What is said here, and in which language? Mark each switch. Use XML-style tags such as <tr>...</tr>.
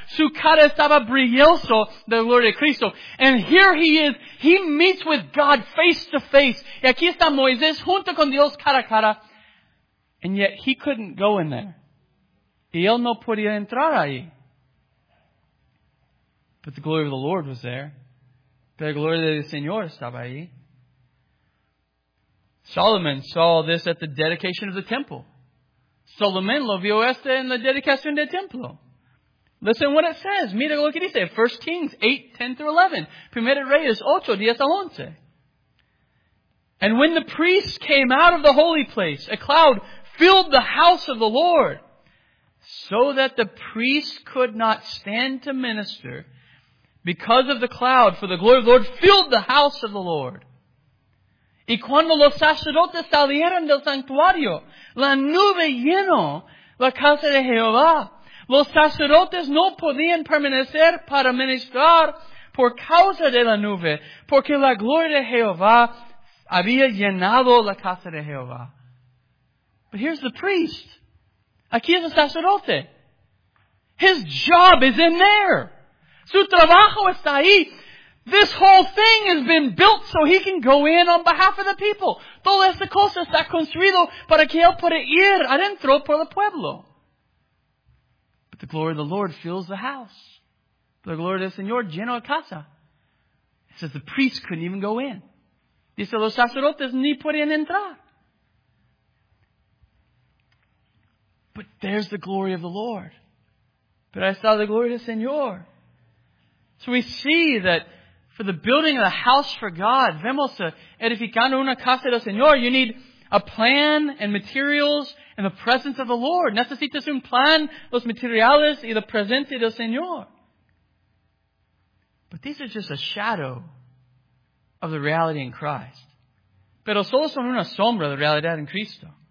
<es>Su cara estaba brilloso de la gloria de Cristo.</es> <en>And here he is. He meets with God face to face.</en> <es>Y aquí está Moisés junto con Dios cara a cara.</es> <en>And yet he couldn't go in there.</en> <es>Y él no podía entrar ahí.</es> <en>But the glory of the Lord was there.</en> <es>La gloria del Señor estaba ahí.</es> <en>Solomon saw this at the dedication of the temple.</en> <es>Solomon lo vio este en la dedicación del templo.</es> <en>Listen what it says.</en> <es>Mira lo que dice.</es> <en>1 Kings 8:10-11.</en> <es>Primera Reyes 8:10-11.</es> <en>And when the priests came out of the holy place, a cloud filled the house of the Lord, so that the priests could not stand to minister because of the cloud, for the glory of the Lord filled the house of the Lord.</en> <es>Y cuando los sacerdotes salieron del santuario, la nube llenó la casa de Jehová. Los sacerdotes no podían permanecer para ministrar por causa de la nube, porque la gloria de Jehová había llenado la casa de Jehová.</es> <en>But here's the priest.</en> <es>Aquí es el sacerdote.</es> <en>His job is in there.</en> <es>Su trabajo está ahí.</es> <en>This whole thing has been built so he can go in on behalf of the people.</en> <es>Toda esta cosa está construido para que él pueda ir adentro por el pueblo.</es> <en>But the glory of the Lord fills the house. The glory</en> <es>del Señor llena la casa.</es> <en>It says the priests couldn't even go in.</en> <es>Dice los sacerdotes ni podían entrar.</es> <en>But there's the glory of the Lord.</en> <es>Pero ahí está la gloria del Señor.</es> <en>So we see that for the building of the house for God,</en> <es>vemos edificando una casa del Señor,</es> <en>you need a plan and materials and the presence of the Lord.</en> <es>Necesitas un plan, los materiales y la presencia del Señor.</es> <en>But these are just a shadow of the reality in Christ.</en> <es>Pero solo son una sombra de la realidad en Cristo.</es>